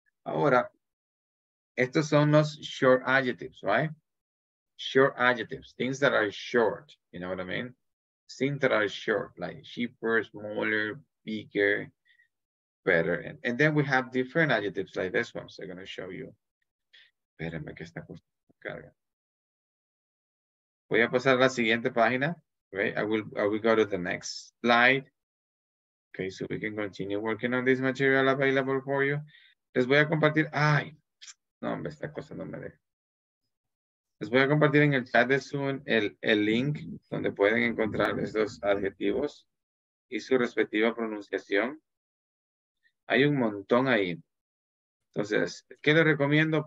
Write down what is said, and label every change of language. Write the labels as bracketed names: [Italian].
[Spanish] Ahora, estos son los [English] short adjectives, right? Short adjectives, things that are short, you know what I mean? Things that are short, like cheaper, smaller, bigger, better. And then we have different adjectives like this one, so I'm gonna show you. [Spanish] Espérenme que esta cosa me carga. Voy a pasar a la siguiente página, right? [English] I will go to the next slide. Okay, so we can continue working on this material available for you. [Spanish] Les voy a compartir, ay, no, hombre, esta cosa no me deja. Les voy a compartir en el chat de Zoom el link donde pueden encontrar estos adjetivos y su respectiva pronunciación. Hay un montón ahí. Entonces, ¿qué les recomiendo?